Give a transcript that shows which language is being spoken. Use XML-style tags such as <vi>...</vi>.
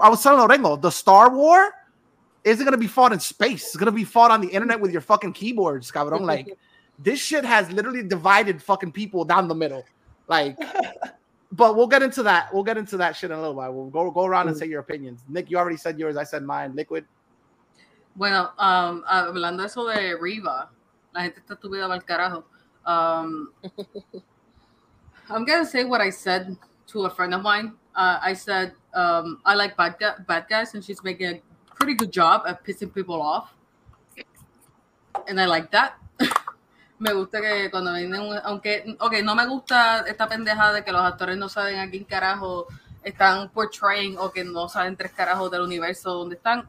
<en>I was telling Lorengo, the Star War isn't gonna be fought in space. It's gonna be fought on the internet with your fucking keyboards. Cabrón, like, this shit has literally divided fucking people down the middle. Like, but we'll get into that. We'll get into that shit in a little while. We'll go around and say your opinions. Nick, you already said yours. I said mine. Liquid.</en> <es>Bueno, hablando eso de Reva, la gente está estúpida para el carajo.</es> <en>I'm going to say what I said to a friend of mine. I said, I like bad guys, and she's making a pretty good job at pissing people off. And I like that.</en> <es>Me gusta que cuando vienen, aunque, okay, no me gusta esta pendeja de que los actores no saben a quién carajo están portraying o que no saben tres carajos del universo donde están.</es>